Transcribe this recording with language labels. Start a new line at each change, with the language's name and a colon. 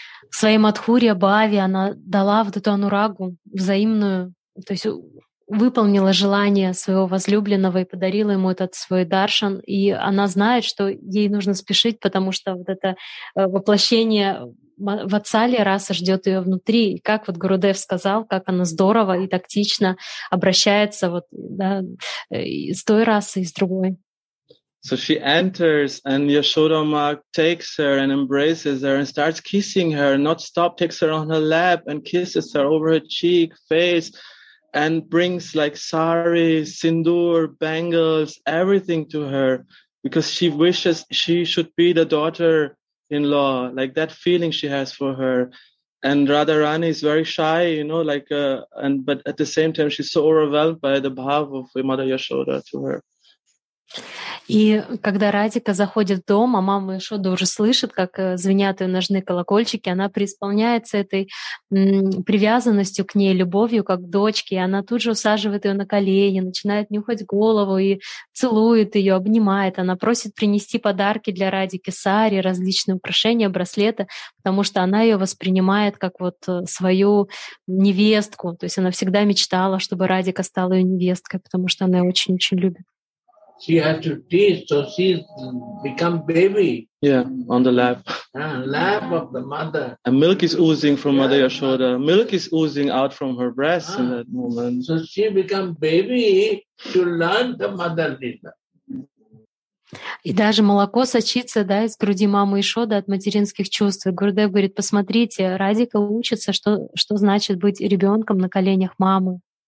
Russian: В своей Мадхурья Бхаве она дала вот эту анурагу взаимную, то есть выполнила желание своего возлюбленного и подарила ему этот свой даршан. И она знает, что ей нужно спешить, потому что вот это воплощение Ватсали раса ждет ее внутри. И как вот Гурудев сказал, как она здорово и тактично обращается вот, да, с той расы и с другой.
English: So she enters and Yashoda Ma takes her and embraces her and starts kissing her, not stop, takes her on her lap and kisses her over her cheek, face, and brings like sari, sindoor, bangles, everything to her because she wishes she should be the daughter-in-law, like that feeling she has for her. And Radharani is very shy, you know, like, and but at the same time, she's so overwhelmed by the bhav of Mother Yashoda to her.
Russian: И когда Радика заходит в дом, а мама Яшода уже слышит, как звенят ее ножные колокольчики, она преисполняется этой привязанностью к ней, любовью, как к дочке. И она тут же усаживает ее на колени, начинает нюхать голову и целует ее, обнимает. Она просит принести подарки для Радики, сари, различные украшения, браслеты, потому что она ее воспринимает как вот свою невестку. То есть она всегда мечтала, чтобы Радика стала ее невесткой, потому что она ее очень-очень любит.
English: She has to teach, so she's become baby. Yeah, on the lap. Lap of the mother. And milk is oozing from Mother Yashoda. Milk is oozing out from her breasts in that moment. So she become baby to learn the mother Lila.
Russian: И даже молоко сочится, да, из груди мамы Яшоды от материнских чувств. Гурудев говорит, посмотрите, Радика учится, что значит быть ребенком на коленях мамы.